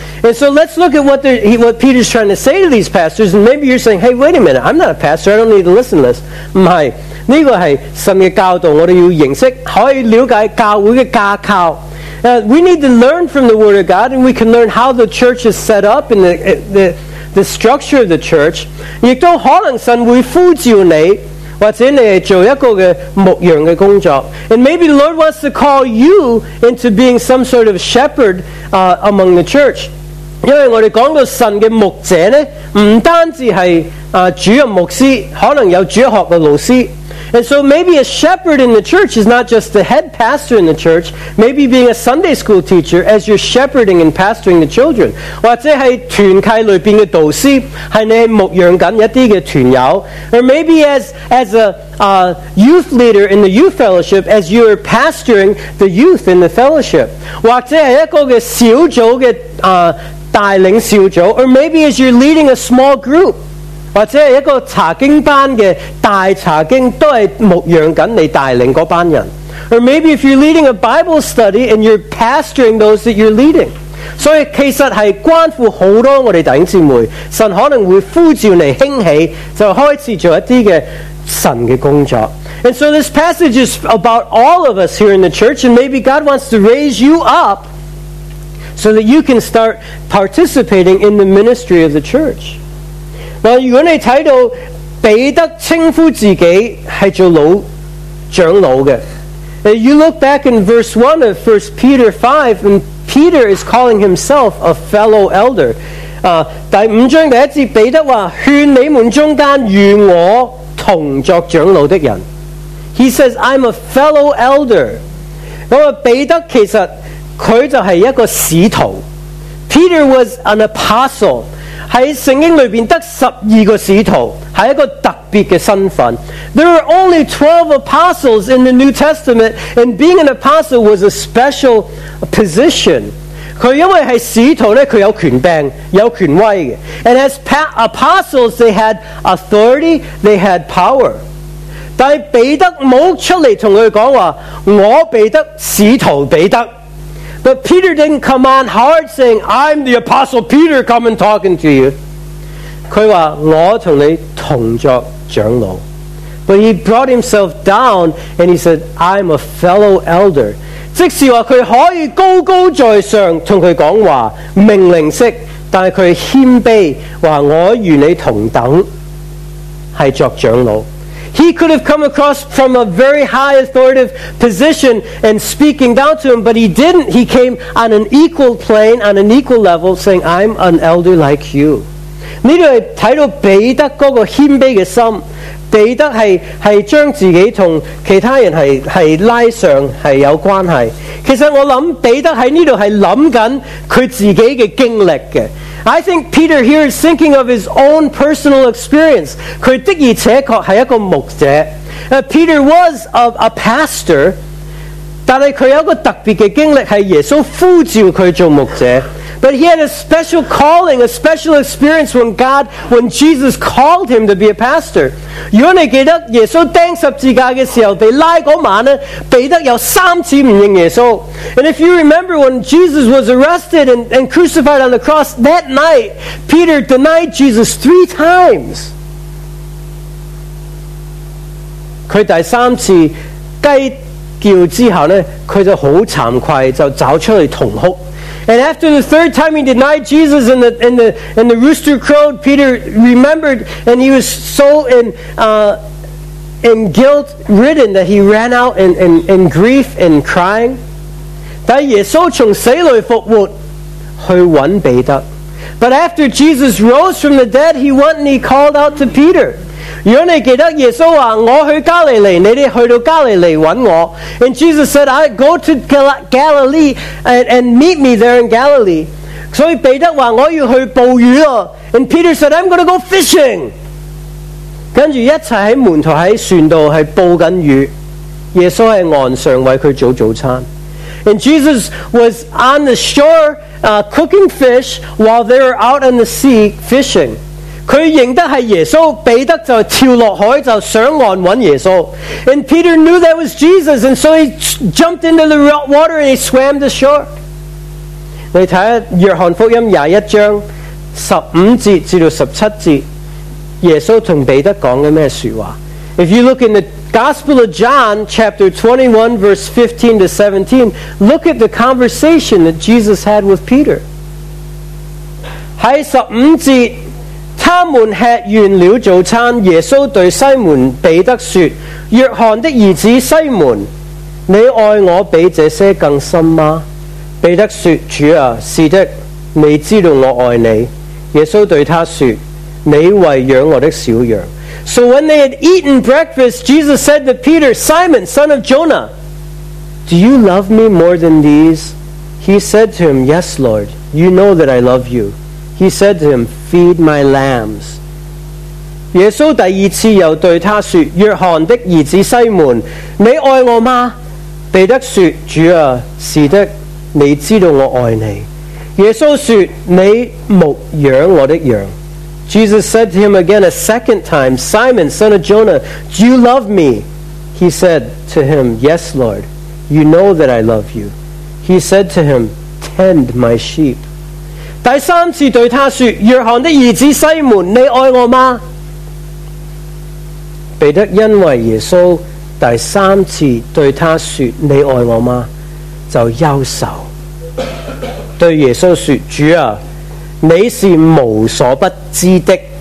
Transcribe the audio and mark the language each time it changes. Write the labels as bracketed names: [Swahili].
[English] And so let's look at what Peter's trying to say to these pastors. And maybe you're saying, hey, wait a minute, I'm not a pastor, I don't need to listen to this. [Cantonese] 不是，這個是神的教導，我們要認識，可以了解教會的架構。 [English] We need to learn from the Word of God, and we can learn how the church is set up and the structure of the church. [Cantonese] 也都可能神會呼召你，或者你是做一个牧羊的工作。 [English] And maybe the Lord wants to call you into being some sort of shepherd among the church. [Cantonese] 因为我们讲到神的牧者呢，不单只是主任牧师，可能有主学的老师。 [English] And so maybe a shepherd in the church is not just the head pastor in the church, maybe being a Sunday school teacher as you're shepherding and pastoring the children. [Cantonese] 或者是团契里面的导师，是你牧养紧一些团友。 [English] Or maybe as a youth leader in the youth fellowship, as you're pastoring the youth in the fellowship. [Cantonese] 或者是一个小组的带领小组。 [English] Or maybe as you're leading a small group, [Cantonese] 或者是一个查经班的大查经，都是牧养着你带领那班人。 [English] Or maybe if you're leading a Bible study and you're pastoring those that you're leading. [Cantonese] 所以其实是关乎很多我们弟兄姊妹，神可能会呼召你兴起就开始做一些的神的工作。 [English] And so this passage is about all of us here in the church, and maybe God wants to raise you up so that you can start participating in the ministry of the church. [Cantonese] 如果你看到彼得称呼自己是做老长老的， [English] You look back in verse 1 of 1 Peter 5 and Peter is calling himself a fellow elder. [Cantonese] 第五章第一节，彼得说，劝你们中间与我同作长老的人。 [English] He says, I'm a fellow elder. [Cantonese] 彼得其实他就是一个使徒。 [English] Peter was an apostle. [Cantonese] 在圣经里面得12个使徒，是一个特别的身份。 [English] There are only 12 apostles in the New Testament, and being an apostle was a special position. [Cantonese] 他因为是使徒，他有权柄，有权威。 [English] And as apostles, they had authority, they had power. [Cantonese] 但彼得没出来跟他说，我彼得，使徒彼得。 [English] But Peter didn't come on hard saying, I'm the apostle Peter coming talking to you. [Cantonese] 他说，我同你同作长老。 [English] But he brought himself down and he said, I'm a fellow elder. [Cantonese] 即使说他可以高高在上跟他讲话，命令式，但是他谦卑，说我与你同等，是作长老。 [English] He could have come across from a very high authoritative position and speaking down to him, but he didn't. He came on an equal plane, on an equal level, saying, I'm an elder like you. [Cantonese] 这里看到彼得那个谦卑的心，彼得 是将自己和其他人 是拉上是有关系。其实我想彼得在这里是想着他自己的经历的。 [English] I think Peter here is thinking of his own personal experience. [Cantonese] 他的确是一个牧者。 [English] Peter was a pastor, [Cantonese] 但是他有一个特别的经历，是耶稣呼召他做牧者。 [English] But he had a special calling, a special experience when Jesus called him to be a pastor. [Cantonese] 如果你记得耶稣钉十字架的时候，被拉那晚呢，彼得有三次不认耶稣。 [English] And if you remember when Jesus was arrested and crucified on the cross, that night, Peter denied Jesus 3 times. [Cantonese] 他第三次鸡叫之后呢，他就好惭愧，就走出来痛哭。 [English] And after the third time he denied Jesus and the rooster crowed, Peter remembered and he was so in guilt ridden that he ran out in grief and crying. [Cantonese] 但耶稣从死里复活去找彼得。 [English] But after Jesus rose from the dead, he went and he called out to Peter. [Cantonese] 如果你记得耶稣说，我去加利利，你们去到加利利找我。 [English] And Jesus said, I go to Galilee and meet me there in Galilee. [Cantonese] 所以彼得说，我要去捕鱼了。 [English] And Peter said, I'm going to go fishing. [Cantonese] 跟着一起在门徒在船上是捕着鱼，耶稣在岸上为他做早餐。 [English] And Jesus was on the shore cooking fish while they were out on the sea fishing. [Cantonese] 他认得是耶稣，彼得就跳落海，就上岸找耶稣。 [English] And Peter knew that was Jesus, and so he jumped into the water and he swam to shore. [Cantonese] 你看下约翰福音21章15节至17节，耶稣跟彼得讲的什么说话。 [English] If you look in the Gospel of John, chapter 21, verse 15 to 17, look at the conversation that Jesus had with Peter. [Cantonese] 在15节，他们吃完了早餐，耶稣对西门彼得说，约翰的儿子西门，你爱我比这些更深吗？彼得说，主啊，是的，你知道我爱你。耶稣对他说，你喂养我的小羊。 [English] So when they had eaten breakfast, Jesus said to Peter, Simon, son of Jonah, do you love me more than these? He said to him, yes, Lord, you know that I love you. He said to him, feed my lambs. [Cantonese] 耶稣第二次又对他说，约翰的儿子西门，你爱我吗？彼得说，主啊，是的，你知道我爱你。耶稣说，你牧养我的羊。 [English] Jesus said to him again a second time, Simon, son of Jonah, do you love me? He said to him, yes, Lord, you know that I love you. He said to him, tend my sheep. [Cantonese] 第三次对他说，约翰的儿子西门，你爱我吗？彼得因为耶稣第三次对他说，你爱我吗？就忧愁，对耶稣说，主啊，你是无所不知的，